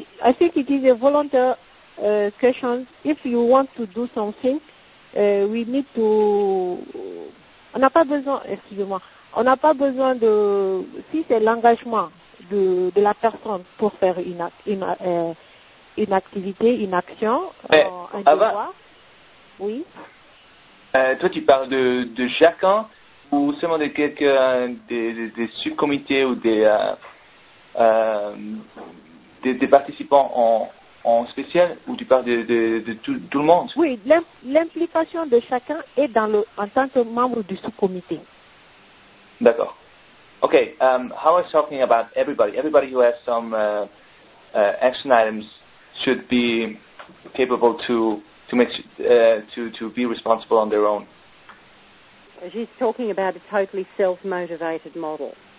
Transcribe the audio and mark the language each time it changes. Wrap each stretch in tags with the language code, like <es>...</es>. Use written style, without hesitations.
<en>I think it is a volunteer question. If you want to do something, we need to.</en> <fr>On n'a pas besoin. Excusez-moi. On n'a pas besoin de. Si c'est l'engagement de la personne pour faire une activité, une action, un devoir. Oui. Toi, tu parles de chacun ou seulement de quelques des subcomités ou des participants en spécial ou tu parles de tout le monde? Oui, l'implication de chacun est en tant que membre du sous-comité.</fr> <en>D'accord. Ok, how I was talking about everybody. Everybody who has some action items should be capable to be responsible on their own. She's talking about a totally self-motivated model.</en>